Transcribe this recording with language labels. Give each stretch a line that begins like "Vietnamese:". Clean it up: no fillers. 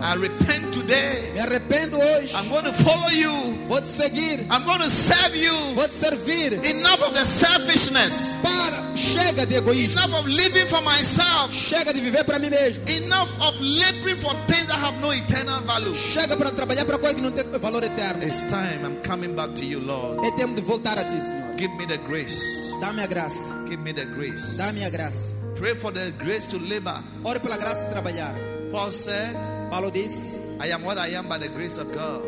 English: I repent today.
Portuguese: Me arrependo hoje.
English: I'm going to follow you.
Portuguese: Vou te seguir.
English: I'm going to serve you.
Portuguese: Vou te servir.
English: Enough of the selfishness.
Portuguese: Para, chega de egoísmo.
English: Enough of living for myself.
Portuguese: Chega de viver para mim mesmo.
English: Enough of laboring for things that have no eternal value.
Portuguese: Chega para trabalhar para coisas que não têm valor eterno.
English: It's time I'm coming back to you, Lord.
Portuguese: É tempo de voltar a ti, Senhor.
English: Give me the grace.
Portuguese: Dá-me a graça.
English: Give me the grace.
Portuguese: Dá-me a graça.
English: Pray for the grace to labor.
Portuguese: Ore pela graça de trabalhar.
English: Paul said,
Portuguese: Paulo disse,
English: I am what I am by the grace of God.